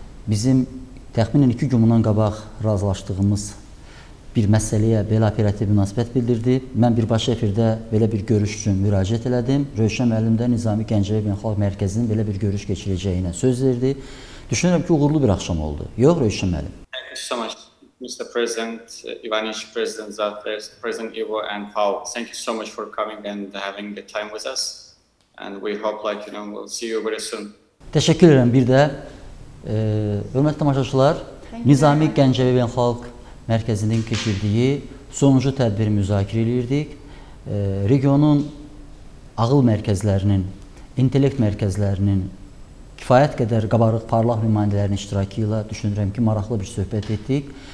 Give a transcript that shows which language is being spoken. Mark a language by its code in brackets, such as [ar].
[az] Bizim təxminən 2 gün bundan qabaq razılaşdığımız bir məsələyə belə operativ münasibət bildirdi. Mən birbaşa efirdə belə bir görüş üçün müraciət elədim. Rövşən müəllim də Nizami Gəncəvi Beynəlxalq Mərkəzinin belə bir görüş keçirəcəyinə söz verdi. Düşünürəm ki, uğurlu bir axşam oldu. Yox, Rövşən müəllim. [en] Mr. President Ivanich, President Zafer, President Ivo, and Paul, thank you so much for coming and having the time with us. And we hope, like, you know, we'll see you very soon. [az] Teşekkür ederim. Bir de hürmetli tamaşaçılar, Nizami Gəncəvi Beynəlxalq Mərkəzinin keçirdiyi sonuncu tədbiri müzakirə edirdik. Regionun ağıl mərkəzlərinin, intellekt mərkəzlərinin kifayət qədər qabarıq parlaq nümayəndələrinin iştirakı ilə düşünürəm ki, maraqlı bir söhbət etdik.